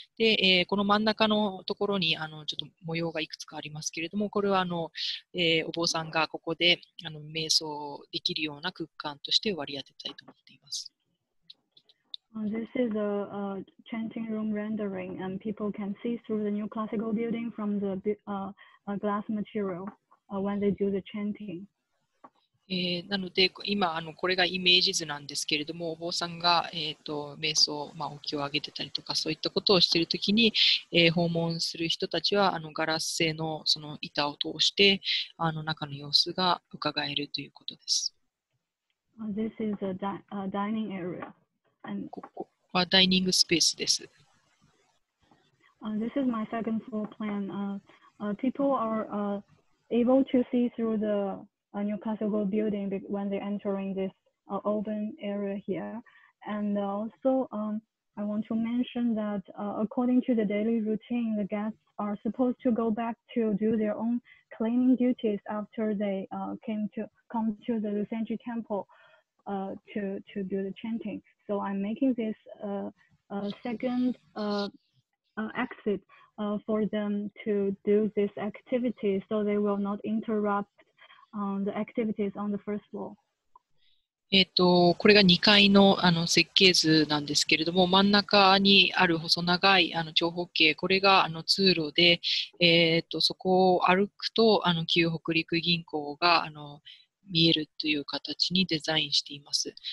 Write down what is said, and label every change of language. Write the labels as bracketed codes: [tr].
[ja] で、この真ん中のところにあのちょっと模様がいくつかありますけれども、これはあの、お坊さんがここであの瞑想できるような空間として割り当てたいと思っています。 [en] This is a chanting room rendering, and people can see through the new classical building from the glass material when they do the chanting. [ja] なので今あのこれがイメージ図なんですけれども、お坊さんが瞑想、まあお経を上げてたりとかそういったことをしているときに、訪問する人たちはあのガラス製のその板を通してあの中の様子が伺えるということです。 [en] This is a dining area. [ja] ここはダイニングスペースです。 [en] This is my second floor plan. People are able to see through the new classical building when they're entering this open area here. And also, I want to mention that according to the daily routine, the guests are supposed to go back to do their own cleaning duties after they come to the Lusenji Temple to do the chanting. So I'm making this second exit for them to do this activity, so they will not interrupt the activities on the first floor. [ja] これが2階 あの設計図なんですけれども、真ん中にある細長いあの長方形、これがあの通路で、そこを歩くとあの旧北陸銀行があの見えるという形にデザインしています。